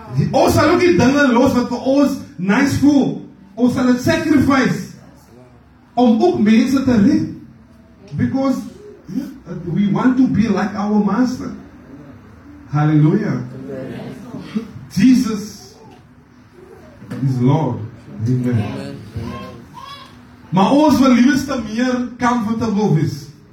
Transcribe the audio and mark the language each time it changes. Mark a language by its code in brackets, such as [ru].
[af] Ons sal ook die dinge los wat vir ons nice voel. Ons sal het sacrifice om ook mense te red. [en] Because we want to be like our master. Hallelujah. Jesus is Lord. Amen. [af] Maar ons wil liefste meer comfortable wees.